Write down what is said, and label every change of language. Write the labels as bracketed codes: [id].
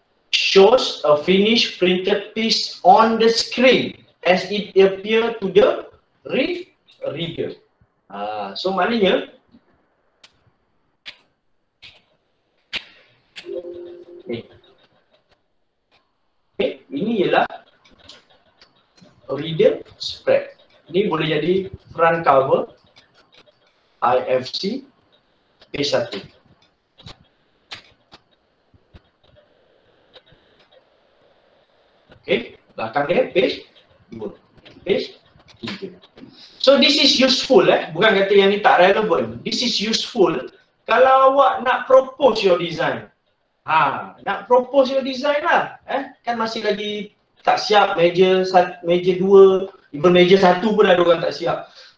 [en] Shows a finished printed piece on the screen as it appear to the reader. [ms] So maknanya ini ialah reader spread. Ini boleh jadi front cover IFC P1. Okay, belakang dia page 2, page 3. [en] So this is useful, [ms] bukan kata yang ni tak relevan. [en] This is useful [ms] kalau awak nak [en] propose your design. [ms] Ha, nak [en] propose your design [ms] lah. Kan masih lagi tak siap meja 2, even meja 1 pun ada orang tak siap.